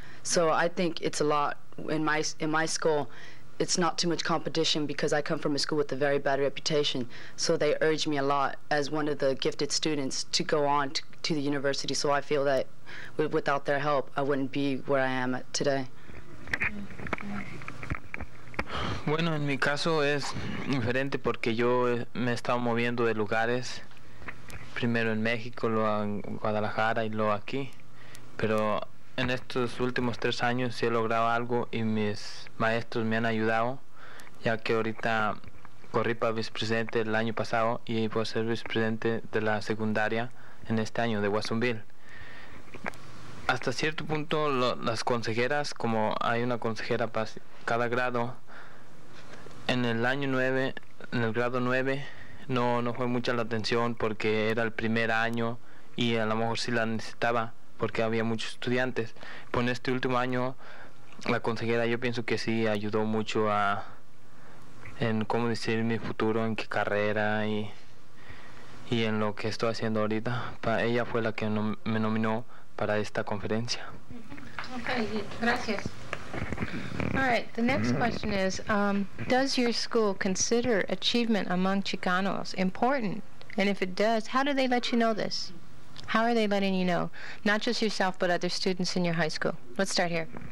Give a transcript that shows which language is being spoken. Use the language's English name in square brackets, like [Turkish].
[English] So I think it's a lot. In my school, it's not too much competition because I come from a school with a very bad reputation. So they urge me a lot as one of the gifted students to go on to the university. So I feel that without their help, I wouldn't be where I am today. [Spanish] Bueno, en mi caso es diferente porque yo me he estado moviendo de lugares. Primero en México, luego en Guadalajara y luego aquí. Pero en estos últimos tres años sí he logrado algo y mis maestros me han ayudado, ya que ahorita corrí para vicepresidente el año pasado y voy a ser vicepresidente de la secundaria en este año de Watsonville. Hasta cierto punto las consejeras, como hay una consejera para cada grado, en el año 9, en el grado 9, no fue mucha la atención porque era el primer año y a lo mejor sí la necesitaba, porque había muchos estudiantes. Pues en este último año, la consejera, yo pienso que sí ayudó mucho en cómo decidir mi futuro, en qué carrera y en lo que estoy haciendo ahorita. Ella fue la que me nominó para esta conferencia. Okay, gracias. [English] All right, the next question is, does your school consider achievement among Chicanos important? And if it does, how do they let you know this? How are they letting you know, not just yourself, but other students in your high school? Let's start here.